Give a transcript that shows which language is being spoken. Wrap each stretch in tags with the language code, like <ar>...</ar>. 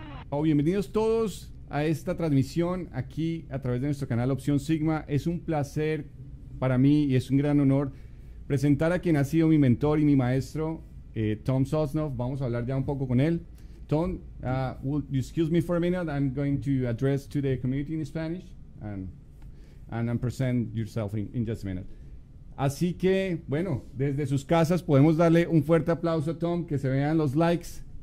<es>Oh, bienvenidos todos a esta transmisión aquí a través de nuestro canal Opción Sigma. Es un placer para mí y es un gran honor presentar a quien ha sido mi mentor y mi maestro, Tom Sosnoff. Vamos a hablar ya un poco con él.</es> <en>Tom, will you excuse me for a minute? I'm going to address to the community in Spanish and present yourself in just a minute.</en> <es>Así que, bueno, desde sus casas podemos darle un fuerte aplauso a Tom, que se vean los likes.</es>